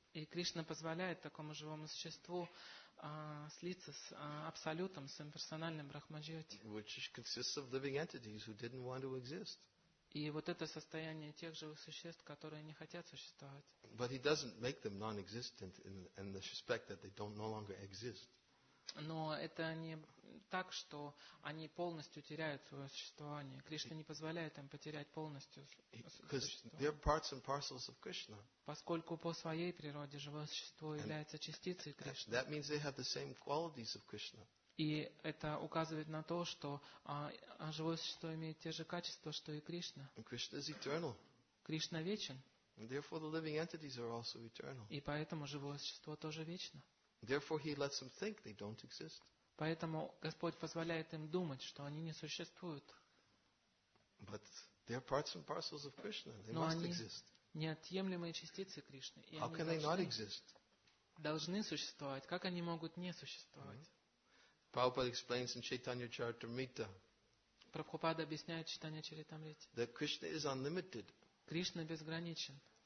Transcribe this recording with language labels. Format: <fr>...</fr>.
<ru>И Кришна позволяет такому живому существу слиться с абсолютом, с имперсональным Брахма Джоти.</ru> <en>Which consists of living entities who didn't want to exist.</en> <ru>И вот это состояние тех живых существ, которые не хотят существовать.</ru> <en>But he doesn't make them non-existent in the respect that they don't no longer exist.</en> <ru>Но это не так, что они полностью теряют свое существование. Кришна не позволяет им потерять полностью существование. Поскольку по своей природе живое существо является частицей Кришны.</ru> <en>That means they have the same qualities of Krishna.</en> <ru>И это указывает на то, что живое существо имеет те же качества, что и Кришна.</ru> <en>And Krishna is eternal.</en> <ru>Кришна вечен.</ru> <en>And therefore the living entities are also eternal.</en> <ru>И поэтому живое существо тоже вечно.</ru> <en>Therefore, he lets them think they don't exist.</en> <ru>Поэтому Господь позволяет им думать, что они не существуют.</ru> <en>But they are parts and parcels of Krishna. They must exist.</en> <ru>Но они неотъемлемые частицы Кришны.</ru> <en>How can they not exist?</en> <ru>Должны существовать. Как они могут не существовать?</ru> <en>Prabhupada explains in Chaitanya Charitamrita.</en> <ru>Прабхупада объясняет в Чайтанья Чаритамрите.</ru> <en>That Krishna is unlimited.</en> <ru>Кришна безграничен.</ru>